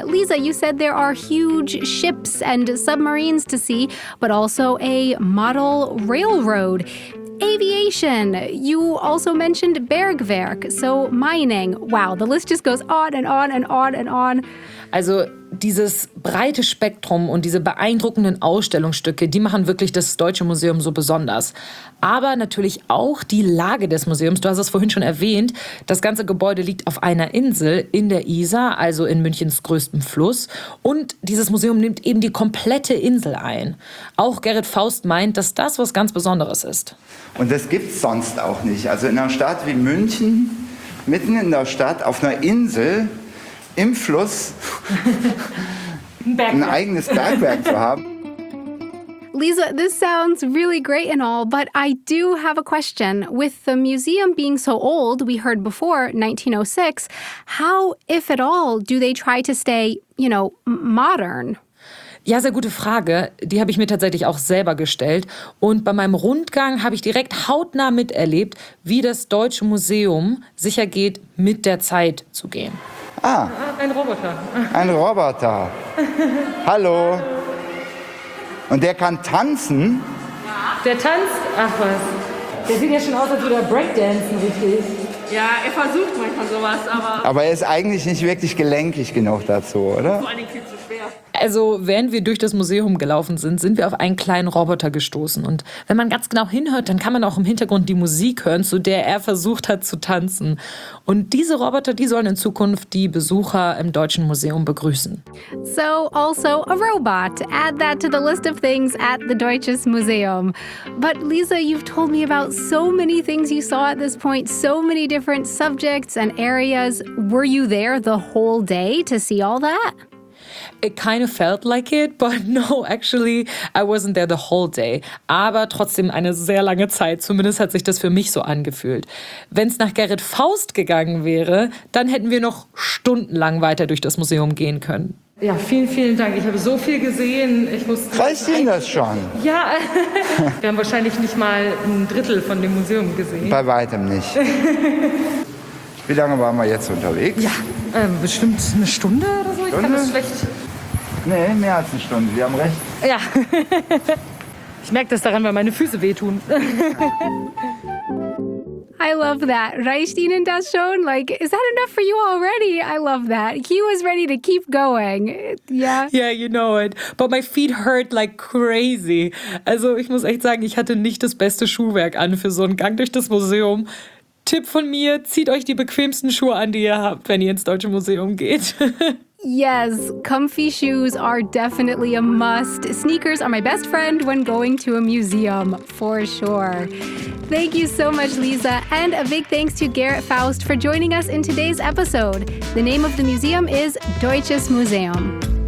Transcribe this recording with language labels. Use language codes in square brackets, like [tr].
[en] Lisa, you said there are huge ships and submarines to see, but also a model railroad. Aviation. You also mentioned Bergwerk, so mining. Wow, the list just goes on and on and on and on. [de] Also dieses breite Spektrum und diese beeindruckenden Ausstellungsstücke, die machen wirklich das Deutsche Museum so besonders. Aber natürlich auch die Lage des Museums. Du hast es vorhin schon erwähnt. Das ganze Gebäude liegt auf einer Insel in der Isar, also in Münchens größtem Fluss. Und dieses Museum nimmt eben die komplette Insel ein. Auch Gerrit Faust meint, dass das was ganz Besonderes ist. Und das gibt's sonst auch nicht. Also in einer Stadt wie München, mitten in der Stadt, auf einer Insel, im Fluss ein eigenes Bergwerk zu haben. [en] Lisa, this sounds really great and all, but I do have a question. With the museum being so old, we heard before, 1906, how, if at all, do they try to stay, you know, modern? [de] Ja, sehr gute Frage. Die habe ich mir tatsächlich auch selber gestellt. Und bei meinem Rundgang habe ich direkt hautnah miterlebt, wie das Deutsche Museum sicher geht, mit der Zeit zu gehen. Ah, ein Roboter. Ein Roboter. Hallo. Und der kann tanzen? Ja. Der tanzt? Ach was. Der sieht ja schon aus, als würde er Breakdancen, richtig? Ja, er versucht manchmal sowas, aber... Aber er ist eigentlich nicht wirklich gelenkig genug dazu, oder? Vor allem viel zu schwer. Also, während wir durch das Museum gelaufen sind, sind wir auf einen kleinen Roboter gestoßen. Und wenn man ganz genau hinhört, dann kann man auch im Hintergrund die Musik hören, zu der er versucht hat zu tanzen. Und diese Roboter, die sollen in Zukunft die Besucher im Deutschen Museum begrüßen. [en] So, also a robot. Add that to the list of things at the Deutsches Museum. But Lisa, you've told me about so many things you saw at this point, so many different subjects and areas. Were you there the whole day to see all that? It kind of felt like it, but no, actually, I wasn't there the whole day. [de] Aber trotzdem eine sehr lange Zeit, zumindest hat sich das für mich so angefühlt. Wenn es nach Gerrit Faust gegangen wäre, dann hätten wir noch stundenlang weiter durch das Museum gehen können. Ja, vielen, vielen Dank. Ich habe so viel gesehen. Ich musste. Reicht Ihnen das schon? Ja, wir haben wahrscheinlich nicht mal ein Drittel von dem Museum gesehen. Bei weitem nicht. Wie lange waren wir jetzt unterwegs? Ja, bestimmt eine Stunde oder so. Stunde? Ich kann das schlecht. Nee, mehr als eine Stunde. Sie haben recht. Ja. Ich merke das daran, weil meine Füße wehtun. [en] I love that. [de] Reicht Ihnen das schon? [en] Like, is that enough for you already? I love that. He was ready to keep going. Yeah. Yeah, you know it. But my feet hurt like crazy. [de] Also, ich muss echt sagen, ich hatte nicht das beste Schuhwerk an für so einen Gang durch das Museum. Tipp von mir, zieht euch die bequemsten Schuhe an, die ihr habt, wenn ihr ins Deutsche Museum geht. [en] Yes, comfy shoes are definitely a must. Sneakers are my best friend when going to a museum, for sure. Thank you so much, Lisa, and a big thanks to Garrett Faust for joining us in today's episode. The name of the museum is Deutsches Museum.